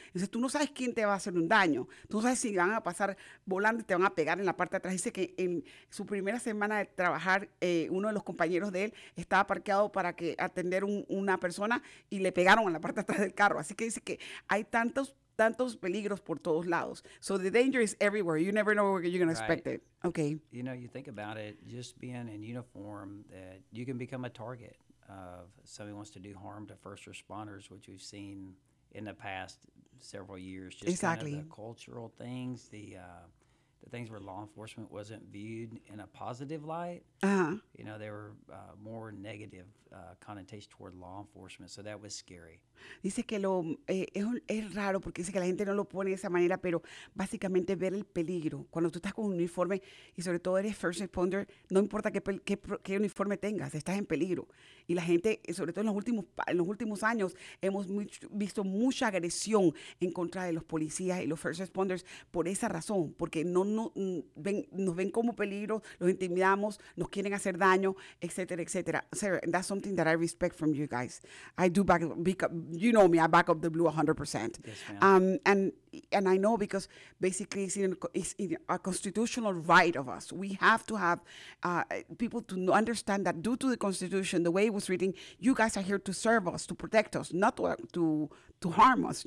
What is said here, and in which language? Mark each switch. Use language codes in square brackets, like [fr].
[es] Entonces tú no sabes quién te va a hacer un daño, tú no sabes si van a pasar volando y te van a pegar en la parte de atrás. Dice que en su primera semana de trabajar, uno de los compañeros de él estaba parqueado para atender una persona y le pegaron en la parte de atrás del carro. Así que dice que hay tantos peligros por todos lados. [en] So the danger is everywhere. You never know where you're going to expect it. Okay. You know, you think about it, just being in uniform, that you can become a target of somebody wants to do harm to first responders, which we've seen in the past several years. Just exactly. Kind of the cultural things, the things where law enforcement wasn't viewed in a positive light. Uh-huh. You know, there were more negative connotation toward law enforcement, so that was scary. [es] Dice que es raro porque dice que la gente no lo pone de esa manera, pero básicamente ver el peligro. Cuando tú estás con un uniforme y sobre todo eres first responder, no importa qué uniforme tengas, estás en peligro. Y la gente, sobre todo en los últimos años, hemos visto mucha agresión en contra de los policías y los first responders por esa razón, porque nos ven como peligro, los intimidamos, nos quieren hacer daño, etcétera, etcétera. [en] Sarah, that's something that I respect from you guys. I do you know me, I back up the blue 100%. Yes, ma'am. And I know because basically it's in a constitutional right of us. We have to have people to understand that due to the Constitution, the way it was written, you guys are here to serve us, to protect us, not to harm us.